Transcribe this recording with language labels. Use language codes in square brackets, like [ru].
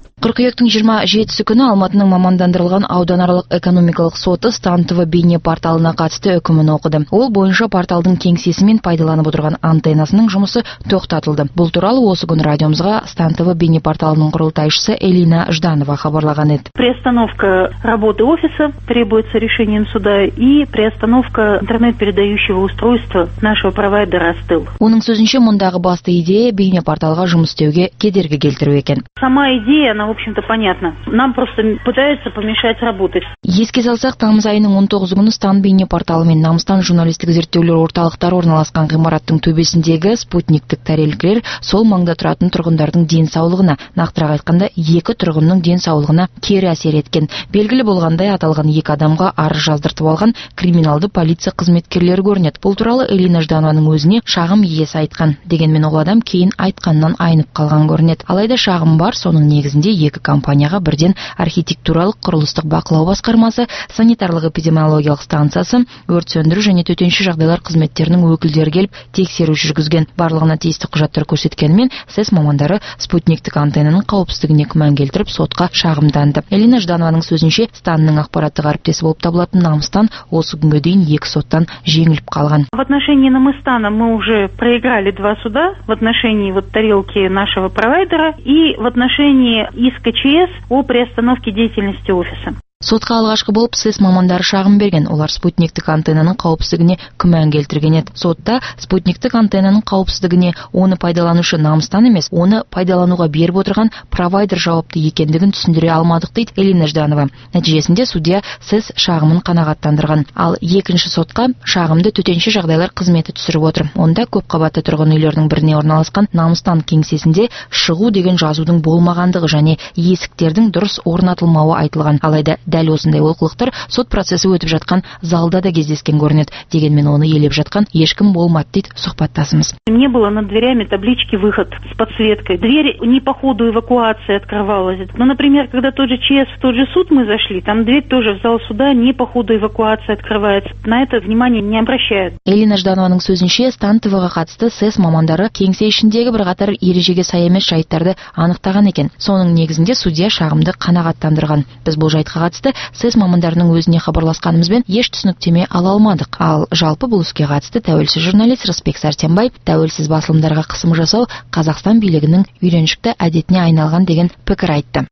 [kk] Қыркүйектің 27-сі күні Алматының мамандандырылған ауданаралық экономикалық соты Стан ТВ бейне порталына қатысты үкімін оқыды. Ол бойынша порталдың кеңсесімен пайдаланып отырған антеннасының жұмысы тоқтатылды. Бұл туралы осы күні радиомызға Стан ТВ бейне порталының құрылтайшысы Элина Жданова хабарлаған еді. [ru] Приостановка работы офиса требуется решением суда и приостановка интернет-передающего устройства нашего провайдера Астыл. [kk] Оның сөзінше мұндағы басты идея бейне порталға жұмыс істеуге кедергі келтіру екен. [ru] Сама идея она, в общем-то, понятна. Нам просто пытаются помешать работать. [kk] Еске салсақ, тамыз айының 19 күні Стан бейне порталы мен Намыстан журналистік зерттеулер орталықтары орналасқан ғимараттың төбесіндегі спутниктік тарелкілер сол маңда тұратын тұрғындардың денсаулығына, нақтырақ айтқанда, екі тұрғынның денсаулығына кері әсер еткен. Белгілі болғандай, аталған екі адамға арыз жаздыртып алған криминалды полиция қызметкерлері көрінеді. Бұл туралы Элина Жданованың өзіне шағым иесі айтқан. Дегенмен ол адам кейін айтқаннан айнып қалған көрінеді. Алайда шағым бар, соның негізінде екі компанияға бірден архитектуралық құрылыстық бақылау басқармасы, санитарлық эпидемиологиялық станциясы, өрт сөндіру және төтенше жағдайлар қызметтерінің өкілдері келіп тексеру жүргізген. Барлығына тиісті құжаттар көрсеткенмен сіз мамандары спутниктік антенаның қауіпсіздігіне күмән келтіріп сотқа шағымданды. Елена Жданованың сөзінше станның ақпараттық әріптесі болып табылатын Намыстан осы күнге дейін екі соттан жеңіліп қалған. [ru] В отношении Намыстана мы уже проиграли два суда в отношении вот тарелки нашего провайдера и в отношении иск ЧС о приостановке деятельности офиса. [kk] Сотқа алғашқы болып сіз мамандары шағым берген, олар спутниктік антеннаның қауіпсіздігіне күмән келтірген еді. Сотта спутниктік антеннаның қауіпсіздігіне оны пайдаланушы Намыстан емес, оны пайдалануға беріп отырған провайдер жауапты екендігін түсіндіре алмадық, дейді Элина Жданова. Нәтижесінде судья сіз шағымын қанағаттандырған. Ал екінші сотқа шағымды төтенше жағдайлар қызметі түсіріп отыр. Онда көпқабатты тұрғын үйлердің біріне орналасқан Намыстан кеңсесінде шығу деген жазудың болмағандығы және есіктердің дұрыс орнатылмауы айтылған. Алайда дәл осындай олқылықтар сот процесі өтіп жатқан залда да кездескен көрінеді. Дегенмен оны елеп жатқан ешкім болмады, дейді сұхбаттасымыз. [ru] Не было над дверями таблички выход с подсветкой. Дверь не по ходу эвакуации открывалась. Но, например, когда тот же ЧС в тот же суд мы зашли, там дверь тоже в зал суда не по ходу эвакуации открывается. На это внимание не обращают. [kk] Элина Жданованың сөзінше Стан ТВ-ға қатысты сіз мамандары кеңсе ішіндегі бірқатар ережеге сай емес жайттарды анықтаған екен. Соның негізінде судья шағымды қанағаттандырған. Біз бұл жайтқа қатысты сіз мамандарының өзіне хабарласқанымызбен еш түсініктеме ала алмадық. Ал жалпы бұл іске қатысты тәуелсіз журналист Рысбек Сәрсенбай тәуелсіз басылымдарға қысым жасау Қазақстан билігінің үйреншікті әдетіне айналған деген пікір айтты.